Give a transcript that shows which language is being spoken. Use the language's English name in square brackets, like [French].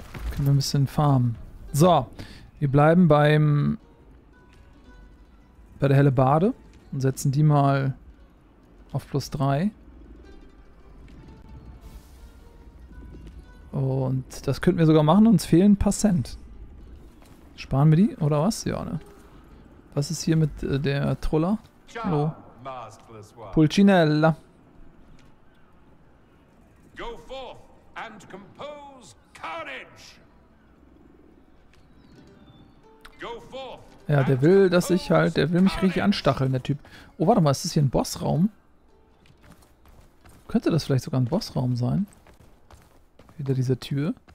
[German] Können wir ein bisschen farmen. So, wir bleiben bei der Hellebarde und setzen die mal auf plus 3. Und das könnten wir sogar machen, uns fehlen ein paar Cent. Sparen wir die, oder was? Ja, ne? Was ist hier mit der Troller? Hallo. Pulcinella. [English] Go forth and compose carnage. Go forth. [German] Ja, der will, dass ich halt, der will mich richtig anstacheln, der Typ. Oh, warte mal, ist das hier ein Bossraum? Könnte das vielleicht sogar ein Bossraum sein? Hinter dieser Tür.